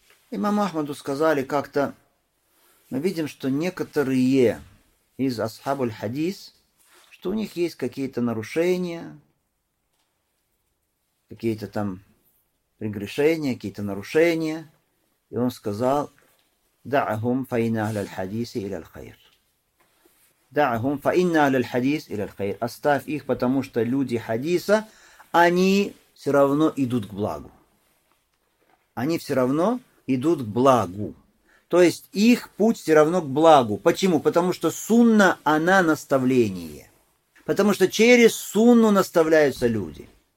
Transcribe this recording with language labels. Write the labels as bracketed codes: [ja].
[ru] Имаму Ахмаду сказали как-то, мы видим, что некоторые из асхабуль хадис, что у них есть какие-то нарушения, какие-то там прегрешения, какие-то нарушения. И он сказал, [ar] دعهم فإن أهل الحديث إلى الخير. دعهم فإن أهل الحديث إلى الخير. [ru] Оставь их, потому что люди хадиса, они все равно идут к благу. Они все равно идут к благу. То есть их путь все равно к благу. Почему? Потому что сунна, она наставление. Потому что через сунну наставляются люди.